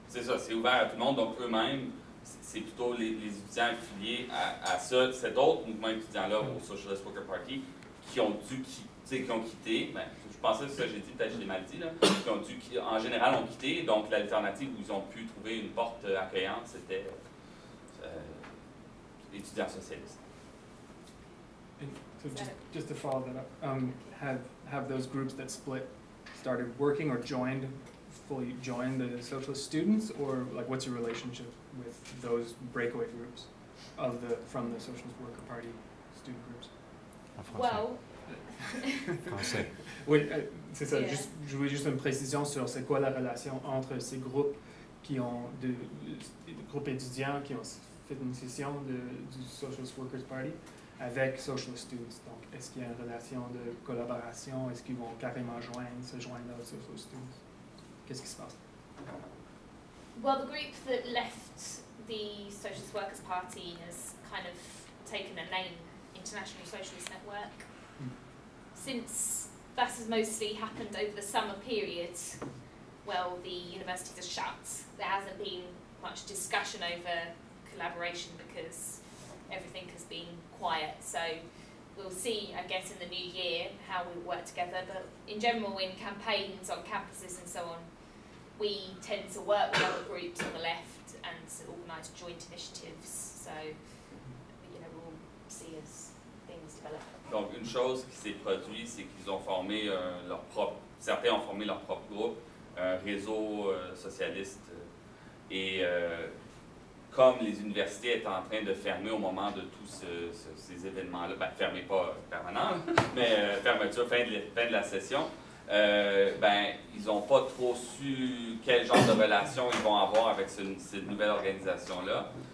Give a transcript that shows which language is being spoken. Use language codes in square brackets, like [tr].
[fr] C'est ça, c'est ouvert à tout le monde. Donc, eux-mêmes, c'est plutôt les étudiants affiliés à ça, cet autre mouvement étudiant-là, au Socialist Worker Party, qui ont dû quitter. Ben, je pensais que ce que j'ai dit, peut-être que je l'ai mal dit. Là. Qui ont dû, en général, ont quitté. Donc, l'alternative où ils ont pu trouver une porte accueillante, c'était étudiants socialistes. [en] So just to follow that up, have those groups that split started working or joined, fully joined the Socialist Students, or like what's your relationship with those breakaway groups of the from the Socialist Worker Party student groups? Well, [fr] français. Oui, c'est ça. Yeah. Juste, je voulais juste une précision sur c'est quoi la relation entre ces groupes qui ont de groupes étudiants qui ont fait une session du Socialist Workers Party. Avec Socialist Students. Donc, est-ce qu'il y a une relation de collaboration? Est-ce qu'ils vont carrément se joindre aux Socialist Students? Qu'est-ce qui se passe? [en] Well, the group that left the Socialist Workers Party has kind of taken a name, International Socialist Network. Mm. Since that has mostly happened over the summer period, well, the universities are shut. There hasn't been much discussion over collaboration because everything has been quiet, so we'll see, I guess, in the new year how we work together. But in general, in campaigns on campuses and so on, we tend to work with other groups on the left and to organise joint initiatives. So, you know, we'll see as things develop. [fr] Donc, une chose qui s'est produite, c'est qu'ils ont formé leur propre. Certains ont formé leur propre groupe, un réseau socialiste et. Comme les universités étaient en train de fermer au moment de tous ces événements-là, ben, fermer pas permanente, mais fermeture, fin de la session, ben, ils n'ont pas trop su quel genre de relation ils vont avoir avec cette nouvelle organisation-là.